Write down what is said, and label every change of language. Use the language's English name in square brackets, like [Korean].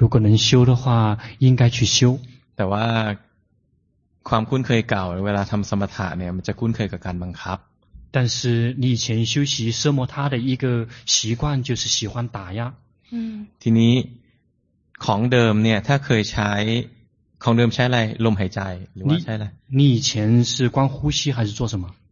[Chinese] 如果能修的话应该去修 [Thai] แต่ว่าความคุ้นเคยเก่าเวลาทำสมถะเนี่ยมันจะคุ้นเคยกับการบังคับ [Chinese] 但是你以前修习奢摩他的一个习惯就是喜欢打压 [Thai] ทีนี้ของเดิมเนี่ยถ้าเคยใช้ของเดิมใช้อะไรลมหายใจหรือว่าใช้อะไร [Chinese] 你以前是光呼吸还是做什么